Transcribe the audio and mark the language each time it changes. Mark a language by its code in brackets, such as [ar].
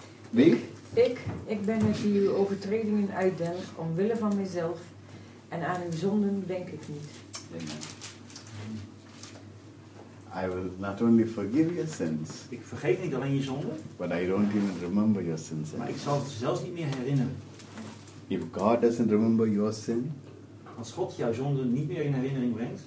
[nl] Wie? Ik ben het die uw overtredingen uitdelg omwille van mezelf. En aan uw zonden denk ik niet. Amen. [en] I will not only forgive your sins. [nl] Ik vergeef niet alleen je zonden. [en] But I don't even remember your sins. [nl] Maar ik zal het zelfs niet meer herinneren. [en] If God doesn't remember your sin. [nl] Als God jouw zonde niet meer in herinnering brengt.